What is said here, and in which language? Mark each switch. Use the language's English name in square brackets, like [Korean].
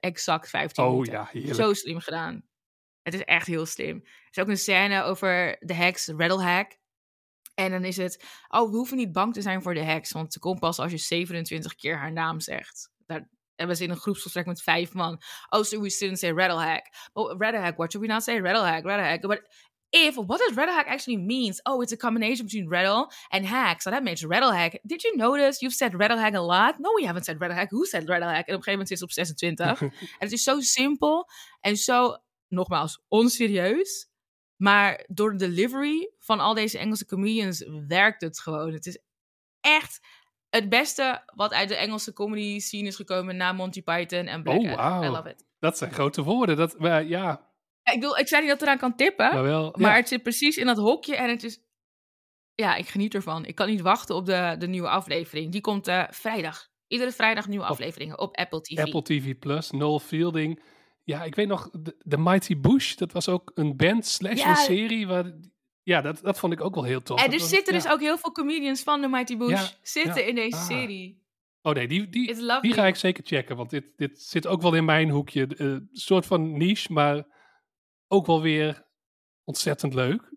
[Dutch] Exact 15 minuten. Oh ja, heerlijk. Zo slim gedaan. Het is echt heel slim. Er is ook een scène over de heks, Rattle Hack. En dan is het, oh, we hoeven niet bang te zijn voor de heks, want ze komt pas als je 27 keer haar naam zegt. Daar hebben ze in een groepsgesprek met 5 man. [English] Oh, so we shouldn't say Rattle Hack. Oh, Rattle Hack, what should we not say? Rattle Hack, Rattle Hack. But if, what does Rattle Hack actually mean? Oh, it's a combination between rattle and hack. So that means Rattle Hack. Did you notice you've said Rattle Hack a lot? No, we haven't said Rattle Hack. Who said Rattle Hack? [Dutch] En op een gegeven moment is het op 26. En het is zo simpel en zo, nogmaals, onserieus. Maar door de delivery van al deze Engelse comedians werkt het gewoon. Het is echt het beste wat uit de Engelse comedy scene is gekomen na Monty Python en Black. Oh, wow. [English] I love it. [Dutch] Dat zijn grote woorden. Dat, maar, ja. Ik zei niet dat het eraan kan tippen. Maar, wel, ja. Maar het zit precies in dat hokje en het is, ja, ik geniet ervan. Ik kan niet wachten op de nieuwe aflevering. Die komt vrijdag. Iedere vrijdag nieuwe afleveringen op Apple TV. Apple TV Plus, Noel Fielding. Ja, ik weet nog, de Mighty Boosh, dat was ook een band slash een serie. Waar, ja, dat vond ik ook wel heel tof. En er zitten dus ook heel veel comedians van de Mighty Boosh zitten in deze serie. Oh nee, die ga ik zeker checken, want dit zit ook wel in mijn hoekje. Een soort van niche, maar ook wel weer ontzettend leuk.